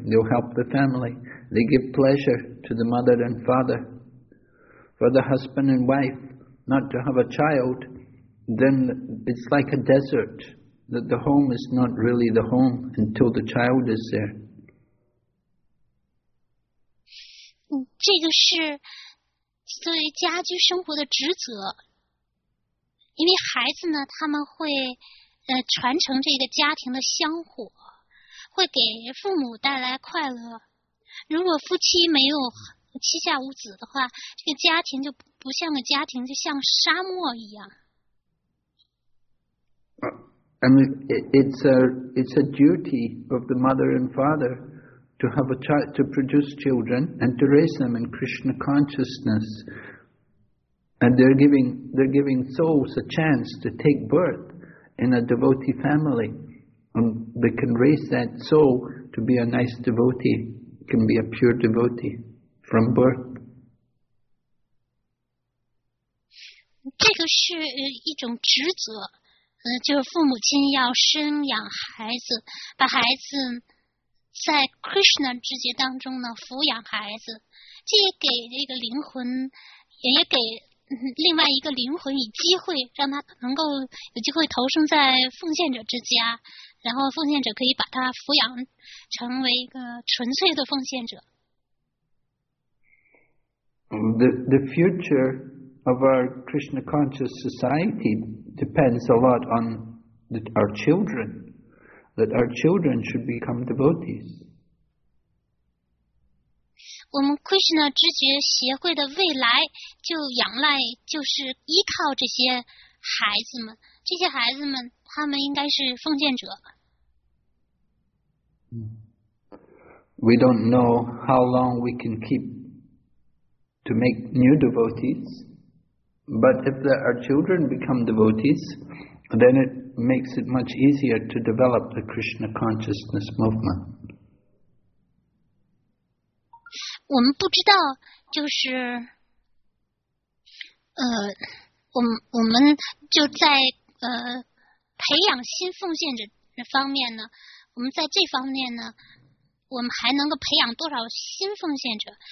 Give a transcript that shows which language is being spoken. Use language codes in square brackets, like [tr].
[en] They'll help the family. They give pleasure to the mother and father. For the husband and wife not to have a child, then it's like a desert, that the home is not really the home until the child is there. [zh] 这个是作为家居生活的职责，因为孩子呢，他们会传承这个家庭的香火，会给父母带来快乐。如果夫妻没有膝下无子的话，这个家庭就不像个家庭，就像沙漠一样。 [en] I mean, it's a duty of the mother and father to have a child, to produce children and to raise them in Krishna consciousness. And they're giving souls a chance to take birth in a devotee family. And they can raise that soul to be a nice devotee, can be a pure devotee from birth. [zh] 这个是一种职责，就是父母亲要生养孩子，把孩子在 Krishna 之节当中呢抚养孩子，这也给这个灵魂，也给另外一个灵魂以机会，让他能够有机会投生在奉献者之家，然后奉献者可以把他抚养成为一个纯粹的奉献者。 [en] The future of our Krishna conscious society depends a lot on our children. That our children should become devotees. [zh] 我们 Krishna 知觉协会的未来就仰赖，就是依靠这些孩子们。这些孩子们，他们应该是奉献者。 [en] We don't know how long we can keep to make new devotees, but if our children become devotees, then it. Makes it much easier to develop the Krishna consciousness movement. [zh] 我们不知道，就是，我们就在培养新奉献者方面呢，我们在这方面呢，我们还能够培养多少新奉献者？